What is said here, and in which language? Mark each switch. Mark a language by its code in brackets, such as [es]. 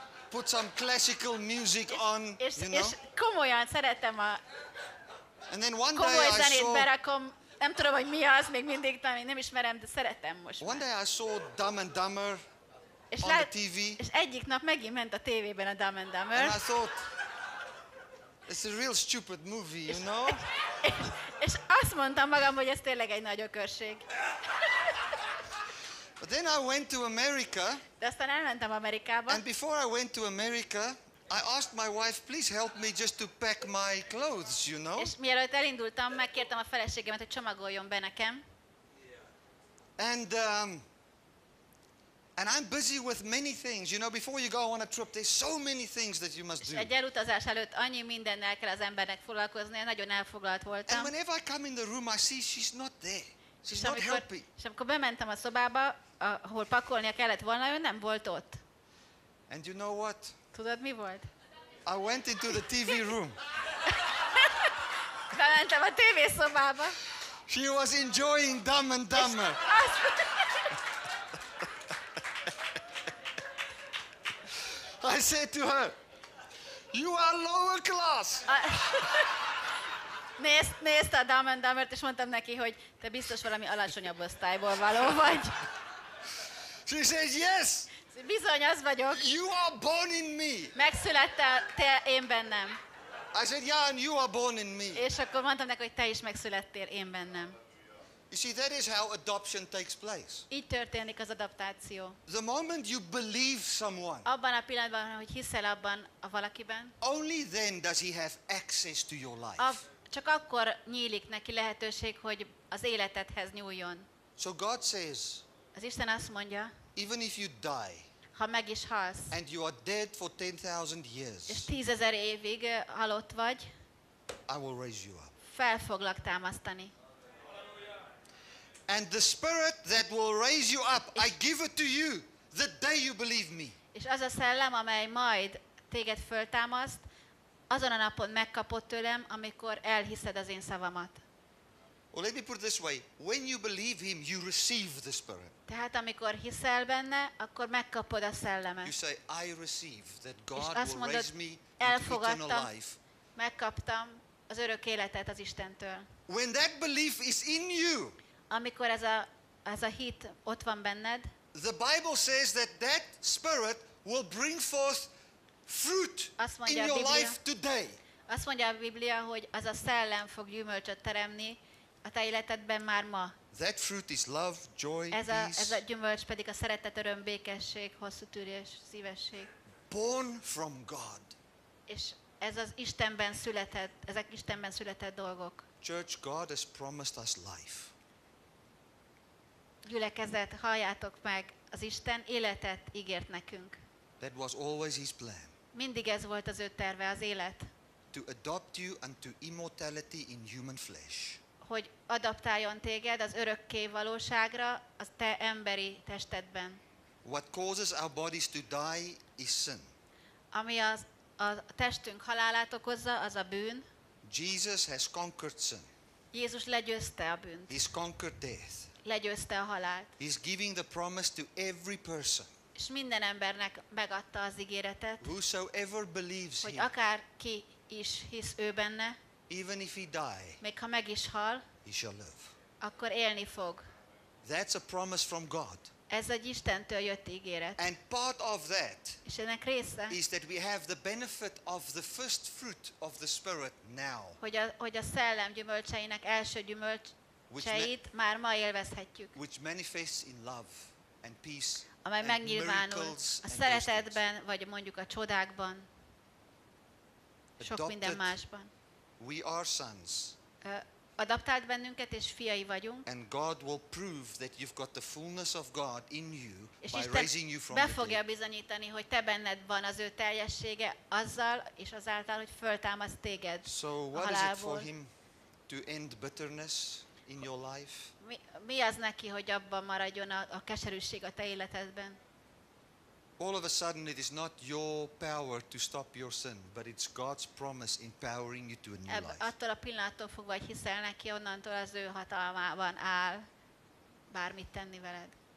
[en] Put some classical music on, you know. [hu] És komolyan szeretem a. [en] And then one day I saw. [hu] Nem tudom, hogy mi az, még mindig nem ismerem, de szeretem most. [en] One day I saw Dumb and Dumber on the TV. [hu] És egyik nap megint ment a tévében a Dumb and Dumber. [en] And I thought, it's a real stupid movie, you know. [hu] És azt mondtam magam, hogy ez tényleg egy nagy ökörség. [en] But then I went to America. [hu] De aztán elmentem Amerikába. [en] And before I went to America, I asked my wife, please help me just to pack my clothes, you know. [hu] És mielőtt elindultam, megkértem a feleségemet, hogy csomagoljon be nekem. [en] And I'm busy with many things, you know. Before you go on a trip, there's so many things that you must do. [hu] Egy elutazás előtt annyi mindennel kell az embernek foglalkozni, nagyon elfoglalt voltam. [en] And whenever I come in the room, I see she's not there. She's not helping. [hu] És amikor bementem a szobába, ahol pakolnia kellett volna, ő nem volt ott. [en] And you know what? [hu] Tudod mi volt? [en] I went into the TV room. [hu] Bementem a TV szobába. [en] She was enjoying Dumb and Dumber. I said to her, you are lower class. [hu] Nézte a Dumb and Dumbert, és mondtam neki, hogy te biztos valami alacsonyabb osztályból való vagy. [en] She says, yes. [hu] Bizony, az vagyok. [en] You are born in me. [hu] Megszülettél te én bennem. [en] I said, yeah, and you are born in me. [hu] És akkor mondtam neki, hogy te is megszülettél én bennem. [en] You see, that is how adoption takes place. [hu] Így történik az adaptáció. [en] The moment you believe someone. [hu] Abban a pillanatban, hogy hiszel abban a valakiben. [en] Only then does he have access to your life. [hu] Csak akkor nyílik neki lehetőség, hogy az életedhez nyúljon. [en] So God says. [hu] Az Isten azt mondja. [en] Even if you die. [hu] Ha meg is halsz. [en] And you are dead for 10,000 years. [hu] És 10,000 évig halott vagy. [en] I will raise you up. [hu] Fel foglak támasztani. [en] And the spirit that will raise you up, I give it to you the day you believe me. [hu] És az a szellem, amely majd téged föltámaszt, azon a napon megkapott tőlem, amikor elhiszed az én szavamat. [en] Well, let me put it this way. When you believe him, you receive the spirit. [hu] Tehát amikor hiszel benne, akkor megkapod a szellemet. [en] You say, I receive that God will [hu] mondod, [en] raise me into eternal life. [hu] Megkaptam az örök életet az Istentől. [en] When that belief is in you. [hu] Amikor ez a hit ott van benned. [en] The Bible says that that spirit will bring forth fruit in your life today. [hu] Azt mondja a Biblia, hogy az a szellem fog gyümölcsöt teremni a te életedben már ma. [en] That fruit is love, joy, peace. [hu] Ez a gyümölcs pedig a szeretet, öröm, békesség, hosszú tűrés, szívesség. [en] Born from God. [hu] És ez az Istenben született, ezek Istenben született dolgok. [en] Church, God has promised us life. [hu] Gyülekezet, halljátok meg, az Isten életet ígért nekünk. [en] That was always his plan. [hu] Mindig ez volt az ő terve, az élet. [en] To adopt you unto immortality in human flesh. [hu] Hogy adaptáljon téged az örökké valóságra, az te emberi testedben. [en] What causes our bodies to die is sin. [hu] Ami a testünk halálát okozza, az a bűn. [en] Jesus has conquered sin. [hu] Jézus legyőzte a bűnt. [en] He's conquered death. [hu] legyőzte a halált. [en] He's giving the promise to every person. [hu] És minden embernek megadta az ígéretet. [en] Whosoever believes him. [hu] Hogy akárki is hisz ő benne. [en] Even if he die. [hu] Még ha meg is hal. [en] He shall live. [hu] Akkor élni fog. [en] That's a promise from God. [hu] Ez egy Istentől jött ígéret. [en] And part of that. [hu] És ennek része. [en] Is that we have the benefit of the first fruit of the Spirit now. [hu] Hogy a szellem gyümölcseinek első gyümölcseit már ma élvezhetjük. [en] Which manifests in love and peace. [hu] Amely megnyilvánul a szeretetben, vagy mondjuk a csodákban, sok minden másban. [en] We are sons. [hu] Adaptált bennünket, és fiai vagyunk. [en] And God will prove that you've got the fullness of God in you by raising you from the dead. [hu] És Isten be fogja bizonyítani, hogy te benned van az ő teljessége azzal, és azáltal, hogy föltámaszt téged a halálból. [en] So what is it for him to end bitterness in your life? [hu] Mi az neki, hogy abban maradjon a keserűség a te életedben? [en] All of a sudden it is not your power to stop your sin, but it's God's promise empowering you to a new life. [hu] Attól a pillanattól fogva, hogy hiszel neki, onnantól az ő hatalmában áll bármit tenni veled.